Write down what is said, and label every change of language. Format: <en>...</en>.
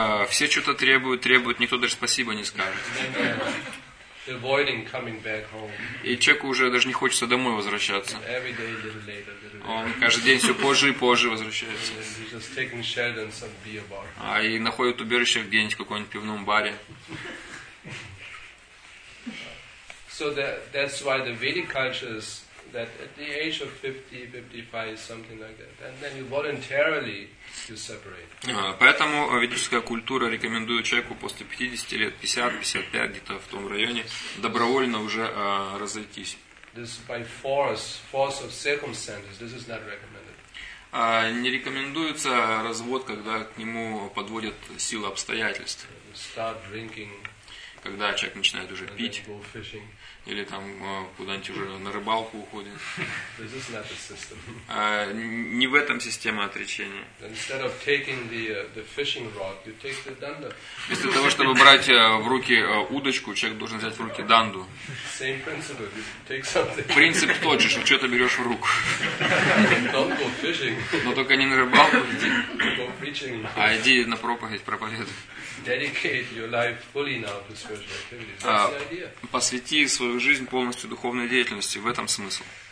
<ru>Все что-то требуют, требуют, никто даже спасибо не скажет.</ru> <en>Avoiding coming back home.</en> <ru>И человеку уже даже не хочется домой возвращаться.</ru> <en>Every day, little later, little later.</en> <ru>Он каждый день все позже и позже возвращается.</ru> <en>And he's just taking shelter in some beer bar.</en> <ru>А и находит убежище где-нибудь в каком-нибудь пивном баре.</ru> <en>So that's why the Vedic culture is that at the age of 50, 55, something like that, and then you voluntarily you separate.</en> <ru>Поэтому ведическая культура рекомендует человеку после 50 лет, 50, 55, где-то в том районе, добровольно уже разойтись.</ru> <en>This by force of circumstances, this is not recommended.</en> <ru>Не рекомендуется развод, когда к нему подводят силы обстоятельств.</ru> <en>Start drinking.</en> <ru>Когда человек начинает уже пить. Или там куда-нибудь уже на рыбалку уходит.</ru> <en>This is not the system.</en> <ru>Не в этом система отречения.</ru> <en>Instead of taking the fishing rod, you take the danda.</en> <ru>Вместо того, чтобы брать в руки удочку, человек должен взять в руки данду.</ru> <en>Same principle. You take something.</en> <ru>Принцип тот же, что что-то берешь в руку.</ru> <en>Don't go fishing.</en> <ru>Но только не на рыбалку иди.</ru> <en>Go preaching.</en> <ru>А иди на проповедь, проповедуй.</ru> <en>Dedicate your life fully now to spiritual activities. That's the idea.</en> <ru>Посвяти свою жизнь полностью духовной деятельности. В этом смысл.</ru>